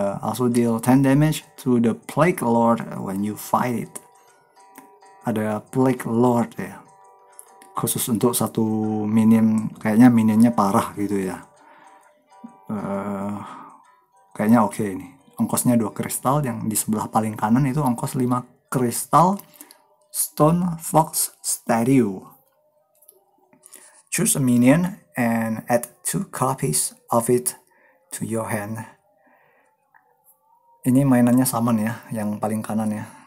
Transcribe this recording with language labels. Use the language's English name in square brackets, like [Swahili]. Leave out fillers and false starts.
[English] Also deal 10 damage to the Plague Lord when you fight it. [Indonesian] Ada Plague Lord ya. Khusus untuk satu minion. Kayaknya minionnya parah gitu ya. Kayaknya oke ini. Ongkosnya 2 kristal. Yang di sebelah paling kanan itu ongkos 5 kristal. [English] Stone Fox Statue. Choose a minion and add 2 copies of it to your hand. [Indonesian] Ini mainannya summon ya, yang paling kanan ya.